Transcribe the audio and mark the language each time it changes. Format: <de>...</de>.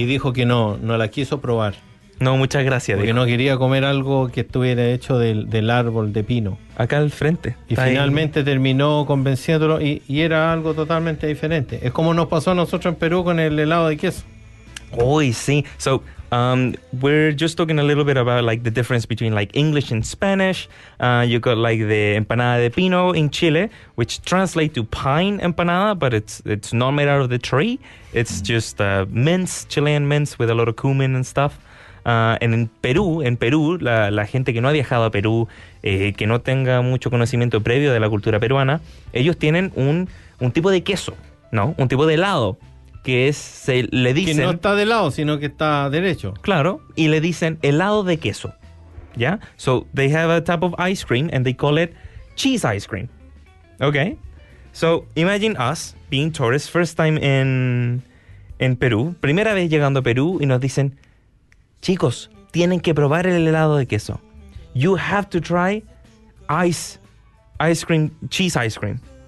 <es>Y dijo que no la quiso probar. No, muchas gracias. Porque dijo. No quería comer algo que estuviera hecho del árbol de pino. Acá al frente. Y finalmente terminó convenciéndolo y era algo totalmente diferente. Es como nos pasó a nosotros en Perú con el helado de queso. Uy, sí.</es> <en>So, we're just talking a little bit about like the difference between like English and Spanish. You got like the empanada de pino in Chile, which translates to pine empanada, but it's not made out of the tree. It's just mince, Chilean mince with a lot of cumin and stuff. And in Peru,</en> <es>la gente que no ha viajado a Perú, que no tenga mucho conocimiento previo de la cultura peruana, ellos tienen un tipo de queso, ¿no? Un tipo de helado, que es, se le dicen... Que no está de lado, sino que está derecho. Claro, y le dicen helado de queso, ¿ya?</es> <en>So, they have a type of ice cream, and they call it cheese ice cream, okay? So, imagine us being tourists, first time in Perú,</en> <es>primera vez llegando a Perú, y nos dicen... Chicos, tienen que probar el helado de queso.</es> <en>You have to try ice cream, cheese ice cream.</en>